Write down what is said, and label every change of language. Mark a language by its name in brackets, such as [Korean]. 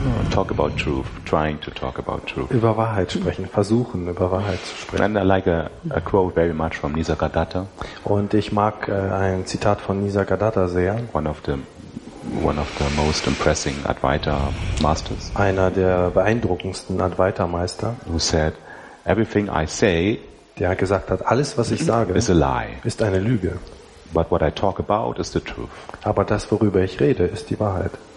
[English] Talk about truth, trying to talk about truth. [German] Über Wahrheit sprechen, versuchen über Wahrheit zu sprechen. [English] And I like a quote very much from Nisargadatta. [German] Und ich mag ein Zitat von Nisargadatta sehr. [English] One of the most impressing Advaita masters. [German] Einer der beeindruckendsten Advaita Meister. [English] Who said, everything I say, [German] der gesagt hat, alles was ich sage, [English] is a lie. [German] Ist eine Lüge. [English] But what I talk about is the truth. [German] Aber das, worüber ich rede, ist die Wahrheit.